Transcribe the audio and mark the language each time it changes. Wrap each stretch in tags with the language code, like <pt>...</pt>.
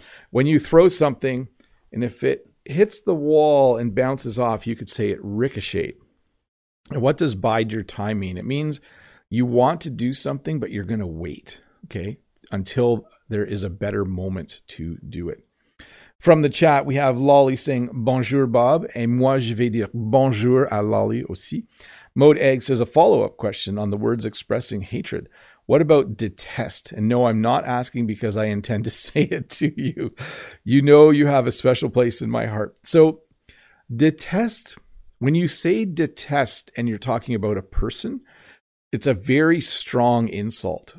<en>When you throw something and if it hits the wall and bounces off, you could say it ricocheted. And what does bide your time mean? It means you want to do something, but you're going to wait. Okay, until there is a better moment to do it. From the chat, we have Lolly saying, bonjour, Bob.</en> <fr>Et moi, je vais dire bonjour à Lolly aussi.</fr> <en>Mode Egg says, a follow-up question on the words expressing hatred. What about detest? And no, I'm not asking because I intend to say it to you. You know you have a special place in my heart. So detest, when you say detest and you're talking about a person, it's a very strong insult.</en>